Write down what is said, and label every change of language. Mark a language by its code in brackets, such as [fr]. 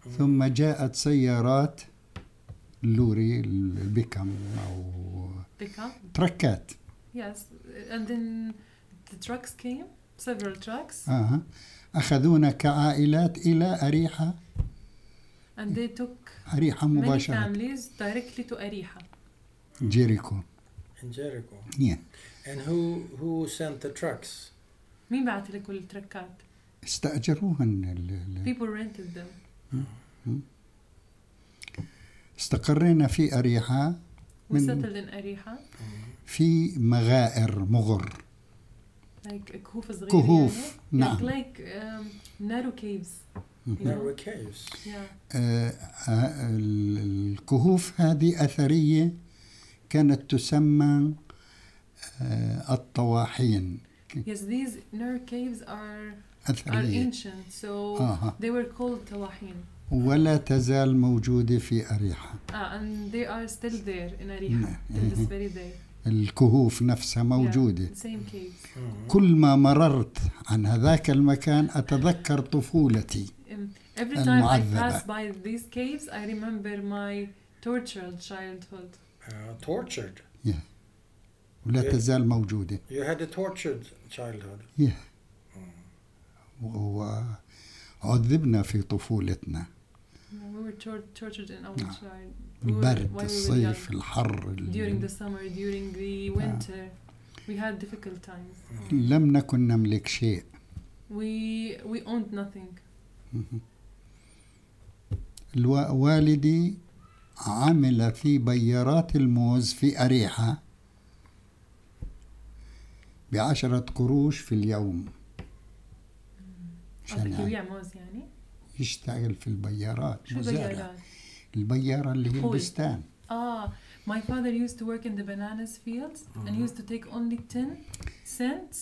[ar] ثم جاءت سيارات لوري البيكام أو تركات. [en] Yes, and then the trucks came, several trucks. [ar] أخذونا كعائلات إلى أريحة. [en] And they took [ar] أريحة مباشرة. [en] Many families directly to أريحة. Jericho. In Jericho. Yeah. And who sent the trucks? [ar] مين بعت لك التركات؟ استأجروهن. [en] People rented them. [ar] استقرينا في أريحة. [en] We settled in أريحة. [ar] في مغائر مغر. [en] Like a [ar] كهوف صغير. كهوف. يعني. نعم. [en] Like narrow caves. Narrow caves. Yeah. [ar] الكهوف هذه أثرية. كانت تسمى الطواحين. [en] Yes, these narrow caves are ancient, so they were called طواحين. [ar] ولا تزال موجودة في أريحة. [en] And they are still there in أريحة till this very day. [ar] الكهوف نفسها موجودة. [en] Yeah, same caves. [ar] كل ما مررت عن هذاك المكان أتذكر طفولتي. [en] Every time [ar] المعذبة. [en] I pass by these caves, I remember my tortured childhood. Tortured. [ar] Yeah. ولا تزال موجودة. [en] You had a tortured childhood. [ar] Yeah. وعذبنا في طفولتنا. [en] We were tortured in our childhood. [ar] البرد الصيف الحر. [en] During the summer, during the winter, we had difficult times. [ar] لم نكن نملك شيء. [en] We owned nothing. [ar] والدي عمل في بيارات الموز في أريحة بعشرة قروش في اليوم. عشان يعني يعمز يعني يشتغل في البيارات. شو مزارع بيارات؟ البيارة اللي هي البستان. [en] My father used to work in the bananas fields and used to take only 10 cents